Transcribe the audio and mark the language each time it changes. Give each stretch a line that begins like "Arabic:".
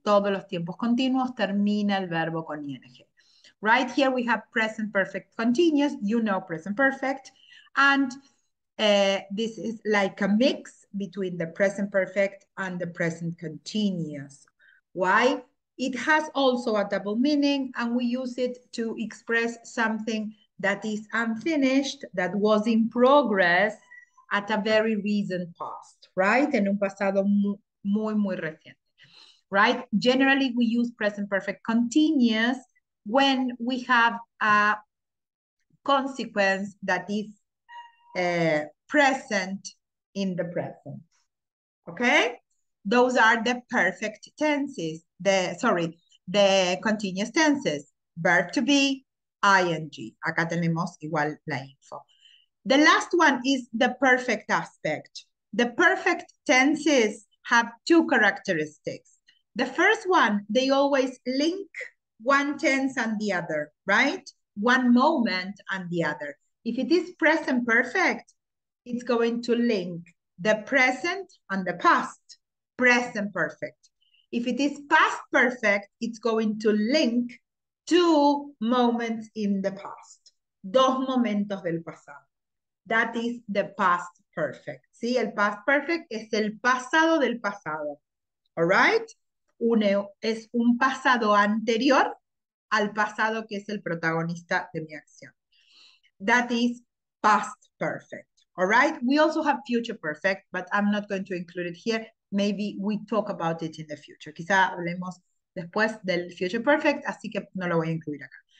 Spanish: Todos los tiempos continuos termina el verbo con ing.
English: Right here we have present perfect continuous, you know present perfect, and this is like a mix between the present perfect and the present continuous. Why? It has also a double meaning, and we use it to express something that is unfinished, that was in progress at a very recent past, right?
Spanish: En un pasado muy, muy, muy reciente, right?
English: Generally, we use present perfect continuous when we have a consequence that is present in the present, okay? Those are the perfect tenses. The continuous tenses, verb to be, ing.
Spanish: Acá tenemos igual la info.
English: The last one is the perfect aspect. The perfect tenses have two characteristics. The first one, they always link one tense and the other, right? One moment and the other. If it is present perfect, it's going to link the present and the past, present perfect. If it is past perfect, it's going to link two moments in the past.
Spanish: Dos momentos del pasado.
English: That is the past perfect.
Spanish: Sí, el past perfect es el pasado del pasado.
English: All right?
Spanish: Es un pasado anterior al pasado que es el protagonista de mi acción.
English: That is past perfect. All right? We also have future perfect, but I'm not going to include it here. Maybe we talk about it in the future.
Spanish: Quizá hablemos después del future perfect, así que no lo voy a incluir acá.